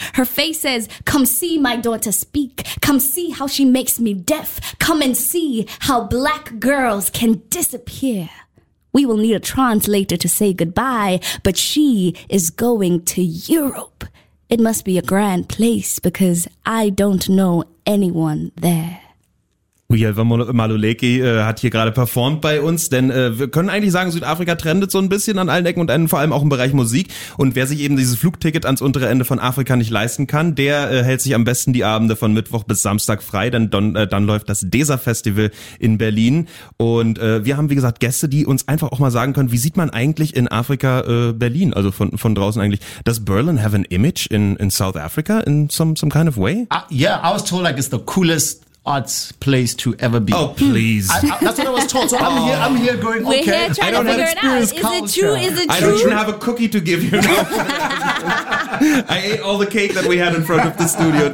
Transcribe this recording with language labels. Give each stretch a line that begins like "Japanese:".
English: Her face says, come see my daughter speak. Come see how she makes me deaf. Come and see how black girls can disappear. We will need a translator to say goodbye, but she is going to Europe. It must be a grand place because I don't know anyone there.
German: Uyelva Maluleki hat hier gerade performt bei uns, denn wir können eigentlich sagen, Südafrika trendet so ein bisschen an allen Ecken und Enden, vor allem auch im Bereich Musik. Und wer sich eben dieses Flugticket ans untere Ende von Afrika nicht leisten kann, der hält sich am besten die Abende von Mittwoch bis Samstag frei, denn dann läuft das DESA-Festival in Berlin. Und wir haben, wie gesagt, Gäste, die uns einfach auch mal sagen können, wie sieht man eigentlich in Afrika Berlin, also von draußen eigentlich.
English: Does Berlin have an image in South Africa in some kind of way? I was told like it's the coolest arts place to ever be. Oh, please. That's what I was told. So I'm here going, we're okay. We're here trying to figure it out. Is it true? I don't even have a cookie to give you. I ate all the cake that we had in front of the studio.